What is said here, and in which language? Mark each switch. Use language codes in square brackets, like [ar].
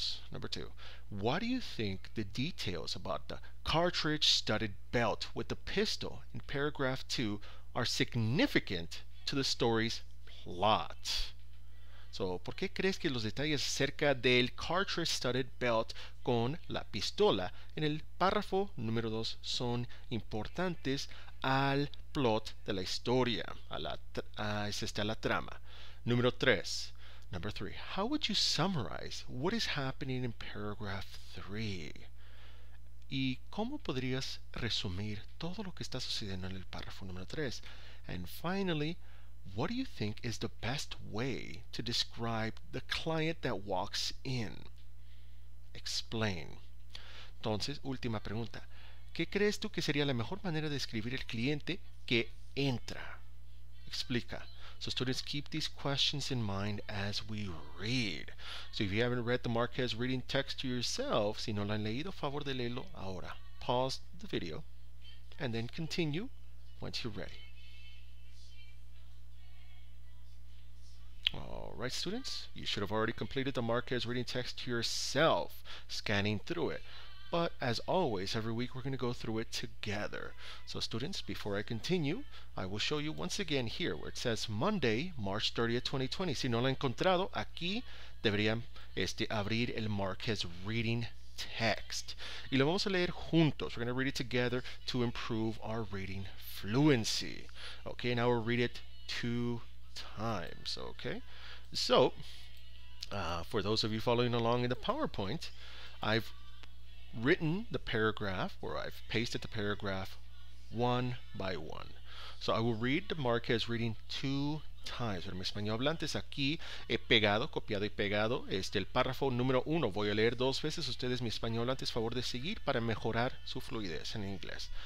[en] Number 2, what do you think the details about the cartridge studded belt with the pistol in paragraph 2 are significant to the story's plot? [es] So, ¿por qué crees que los detalles acerca del cartridge-studded belt con la pistola en el párrafo número 2 son importantes al plot de la historia, a la trama? [en] Number 3, how would you summarize what is happening in paragraph 3? [es] ¿Y cómo podrías resumir todo lo que está sucediendo en el párrafo número 3? [en] And finally, what do you think is the best way to describe the client that walks in? Explain. [es] Entonces, última pregunta. ¿Qué crees tú que sería la mejor manera de describir el cliente que entra? Explica. [en] So students, keep these questions in mind as we read. So if you haven't read the Marquez reading text to yourself, [es] si no lo han leído, favor de leerlo ahora. [en] Pause the video and then continue once you're ready. Alright, students, you should have already completed the Marquez reading text to yourself, scanning through it. But as always, every week we're going to go through it together. So students, before I continue, I will show you once again here where it says Monday, March 30th, 2020. [es] Si no lo han encontrado, aquí deberían abrir el Marquez reading text. Y lo vamos a leer juntos. [en] We're going to read it together to improve our reading fluency. Okay, now we'll read it 2 times, okay? So, for those of you following along in the PowerPoint, I've written the paragraph, or I've pasted the paragraph one by one. So I will read the Marquez reading 2 times. [es] Pero mi español hablante es aquí, he pegado, copiado y pegado el párrafo número uno. Voy a leer dos veces. Ustedes, mi español hablante, es favor de seguir para mejorar su fluidez en inglés.